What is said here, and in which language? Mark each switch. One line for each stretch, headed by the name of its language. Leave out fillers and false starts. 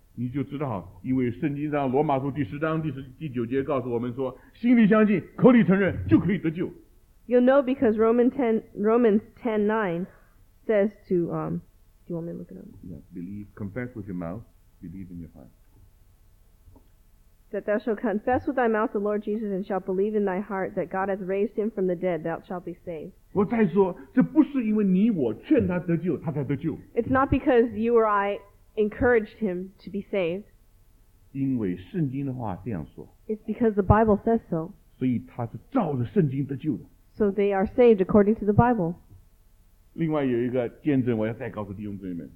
Chinese: 你就知道因为圣经上罗马书第十章第九节告诉我们说心里相信口里承认就可以得救。
English: You'll know because Romans 10:9 says to, do you want me to look it up? Yeah, believe, confess with your mouth, believe in your heart. That thou shalt confess with thy mouth the Lord Jesus and shalt believe in thy heart that God hath raised him from the dead, thou shalt be saved.
Chinese: 我再说，这不是因为你我劝他得救，他才得救。
English: It's not because you or I encouraged him to be saved.
Chinese: 因为圣经的话这样说。
English: It's because the Bible says so.
Chinese: 所以他是照着圣经得救的。
English: So they are saved according to the Bible.
Chinese: 另外有一个见证我要再告诉弟兄姊妹们。